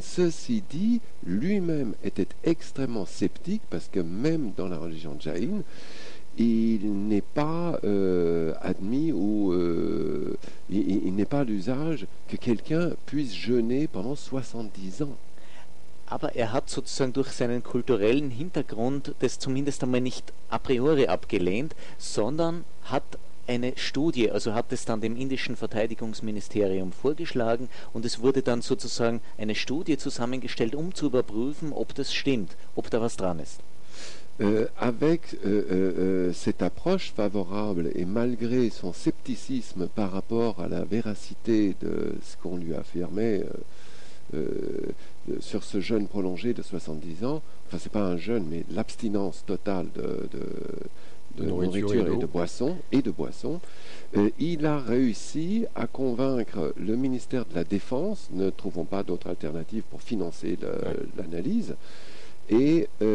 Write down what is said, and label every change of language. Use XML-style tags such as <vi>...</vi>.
<fr>Ceci dit, lui-même était extrêmement sceptique, parce que même dans la religion Jain, il n'est pas admis ou il n'est pas l'usage que quelqu'un puisse jeûner pendant 70 ans.</fr> <de>Aber er hat sozusagen durch seinen kulturellen Hintergrund das zumindest einmal nicht a priori abgelehnt, sondern hat eine Studie, also hat es dann dem indischen Verteidigungsministerium vorgeschlagen, und es wurde dann sozusagen eine Studie zusammengestellt, um zu überprüfen, ob das stimmt, ob da was dran ist.</de> <fr>Avec cette approche favorable et malgré son scepticisme par rapport à la véracité de ce qu'on lui affirmait, sur ce jeûne prolongé de 70 ans, enfin c'est pas un jeûne, mais l'abstinence totale de nourriture et de boissons, il a réussi à convaincre le ministère de la Défense, ne trouvant pas d'autre alternative pour financer l'analyse, et</fr>